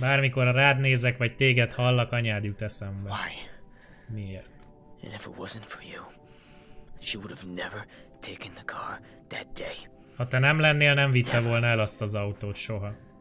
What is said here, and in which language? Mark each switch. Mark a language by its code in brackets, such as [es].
[hu] Bármikor rád nézek, vagy téged hallak, anyád jut eszembe. [en] Why? [hu] Miért? [en] And if it wasn't for you, she would have never taken the car that day. [hu] Ha te nem lennél, nem vitte never. Volna el azt az autót soha.